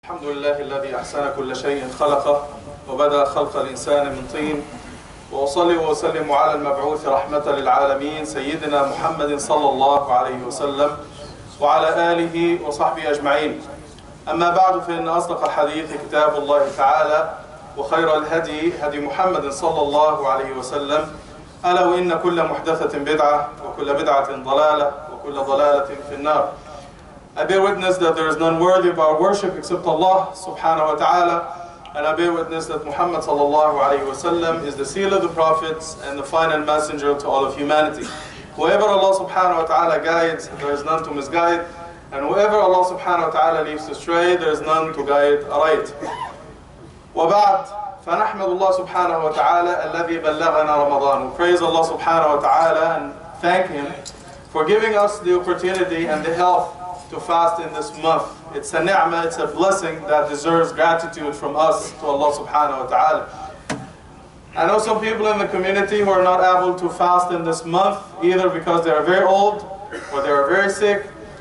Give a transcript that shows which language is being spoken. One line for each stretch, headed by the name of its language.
Arabic: الحمد لله الذي أحسن كل شيء خلقه وبدأ خلق الإنسان من طين وأصلي وأسلم على المبعوث رحمة للعالمين سيدنا محمد صلى الله عليه وسلم وعلى آله وصحبه أجمعين. أما بعد، فإن أصدق الحديث كتاب الله تعالى وخير الهدي هدي محمد صلى الله عليه وسلم، ألا وإن كل محدثة بدعة وكل بدعة ضلالة وكل ضلالة في النار.
English: I bear witness that there is none worthy of our worship except Allah subhanahu wa ta'ala. And I bear witness that Muhammad sallallahu alayhi wa sallam is the seal of the prophets and the final messenger to all of humanity. Whoever Allah subhanahu wa ta'ala guides, there is none to misguide. And whoever Allah subhanahu wa ta'ala leaves astray, there is none to guide aright.
Arabic: وبعد فنحمد الله سبحانه وتعالى الذي بلغنا رمضان.
English: We praise Allah subhanahu wa ta'ala and thank Him for giving us the opportunity and the health to fast in this month. It's a ni'mah, it's a blessing that deserves gratitude from us to Allah subhanahu wa ta'ala. I know some people in the community who are not able to fast in this month, either because they are very old or they are very sick.